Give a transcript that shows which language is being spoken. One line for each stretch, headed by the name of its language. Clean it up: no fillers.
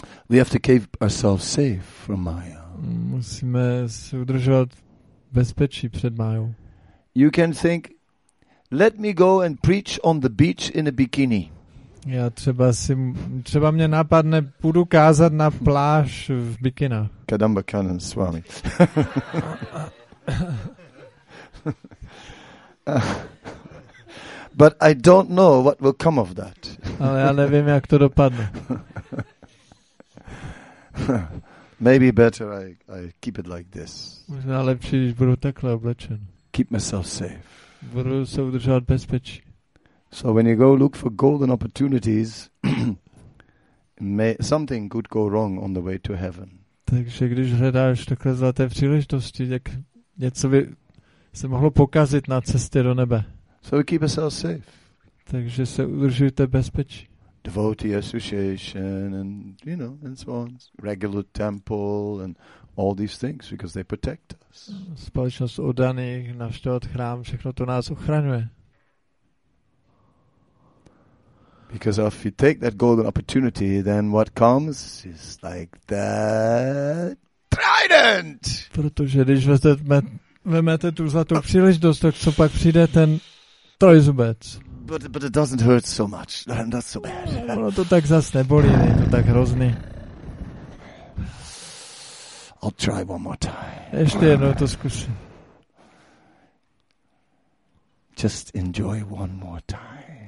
English: We have to keep ourselves safe from Maya.
Czech: Musíme se udržovat bezpečí před Mayou.
English: You can think, let me go and preach on the beach in a bikini.
Czech: Já třeba mě napadne, půjdu kázat na pláž v bikinách.
English: Kadamba Kanan Swami. But I don't know what will come of that.
Czech: Ale já nevím, jak to dopadne.
English: Maybe better I keep it like this.
Czech: Možná lepší, když budu takhle oblečen.
English: Keep myself safe.
Czech: Budu se udržovat bezpečí.
English: So when you go look for golden opportunities, something could go wrong on the way to heaven.
Czech: Takže když hledáš takhle zlaté příležitosti, tak něco by se mohlo pokazit na cestě do nebe.
English: So we keep ourselves safe.
Czech: Takže se udržujte bezpečí.
English: Devotee association and, you know, and so on. Regular temple and all these things because they protect us.
Czech: Společnost oddaných, navštěvovat chrám, všechno to nás ochraňuje.
English: Because if you take that golden opportunity, then what comes is like that trident.
Czech: Protože když vezmete tu zlatou příležitost, tak co pak přijde ten trojzubec.
English: But it doesn't hurt so much. Not so bad.
Czech: Ono to tak zas nebolí, je to tak hrozný.
English: I'll try one more time.
Czech: Ještě jednou to zkusím.
English: Just enjoy one more time.